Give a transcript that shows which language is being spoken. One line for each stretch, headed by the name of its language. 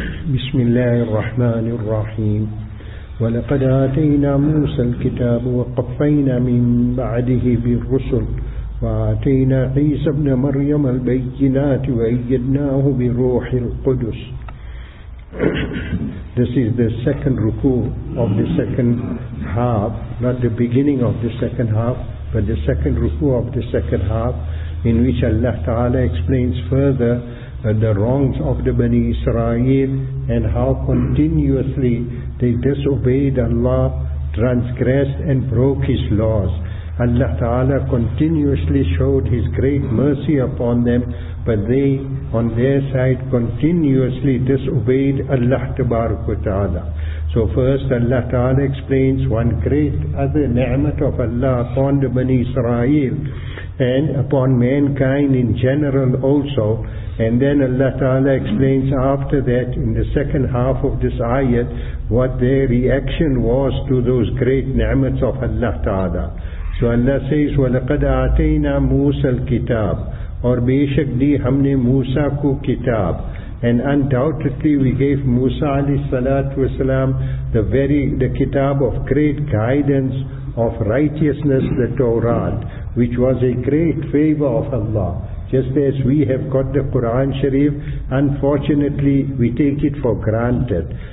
Arabic: بسم الله الرحمن الرحيم. ولقد آتينا موسى الكتاب وقفينا من بعده بالرسل وآتينا عيسى ابن مريم البينات وأيدناه بروح القدس.
English: This is the second ruku of the second half, not the beginning of the second half, but the second ruku of the second half, in which Allah Ta'ala explains further the wrongs of the Bani Israel and how continuously they disobeyed Allah, transgressed and broke His laws. Allah Ta'ala continuously showed His great mercy upon them, but they on their side continuously disobeyed Allah Tabaraka wa Ta'ala. So first Allah Ta'ala explains one great other ni'mat of Allah upon the Bani Israel and upon mankind in general also. And then Allah Ta'ala explains after that in the second half of this ayat what their reaction was to those great ni'mats of Allah Ta'ala. So Allah says,
Arabic: وَلَقَدْ آتَيْنَا مُوسَى الْكِتَابِ
Urdu: اور بے شک دی ہم نے موسیٰ کو کتاب.
English: And undoubtedly we gave Musa alayhi salatu wasalam the kitab of great guidance of righteousness, the Torah, which was a great favor of Allah. Just as we have got the Quran Sharif, unfortunately we take it for granted.